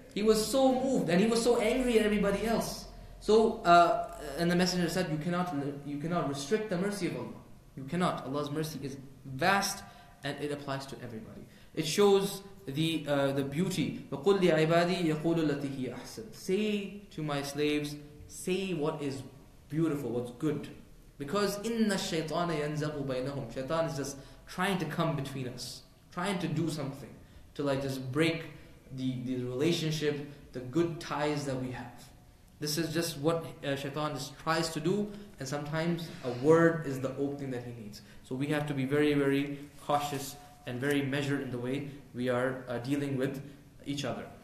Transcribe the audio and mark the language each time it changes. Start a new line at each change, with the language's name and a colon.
English: He was so moved and he was so angry at everybody else. So, and the Messenger said, you cannot restrict the mercy of Allah. You cannot. Allah's mercy is vast, and it applies to everybody. It shows the beauty.
Arabic: وَقُلْ لِعِبَادِي يَقُولُ لَتِهِ أَحْسَنُ.
English: Say to my slaves, say what is beautiful, what's good. Because
Arabic: إِنَّ الشَّيْطَانَ يَنْزَغُ بَيْنَهُمْ.
English: Shaitan is just trying to come between us, trying to do something, to, like, just break the relationship, the good ties that we have. This is just what Shaitan just tries to do, and sometimes a word is the opening that he needs. So we have to be very, very cautious and very measured in the way we are dealing with each other.